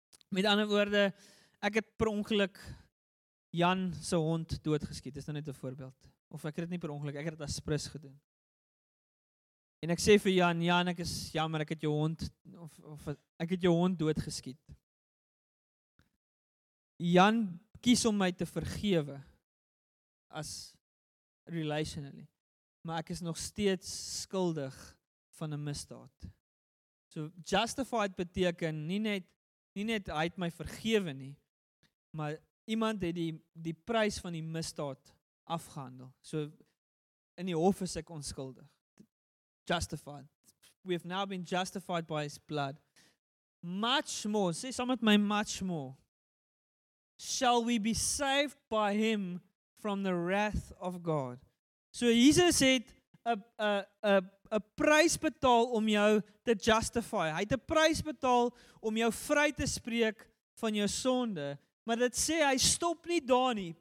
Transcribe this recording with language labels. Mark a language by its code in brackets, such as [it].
[af] Met ander woorde, ek het per ongeluk Jan se hond doodgeskiet. Dis nou net 'n voorbeeld. Of ek het dit nie per ongeluk, ek het dit as prus gedoen. En ek sê vir Jan, ek is jammer, ek het jou hond of ek het jou hond doodgeskiet. Jan kies om my te vergewe as relationally. Maar ek is nog steeds skuldig van 'n misdaad. So justified beteken nie net hy het my vergewe nie, maar iemand het die prys van die misdaad afgehandel. So in die hof is ek onskuldig. Justified. [en] We have now been justified by his blood. Much more, [af] sê saam met my, [en] much more. Shall we be saved by him from the wrath of God? [af] So Jesus het 'n prys betaal om jou te justify. Hy het 'n prys betaal om jou vry te spreek van jou sonde. Maar dit sê hy stop nie daar nie.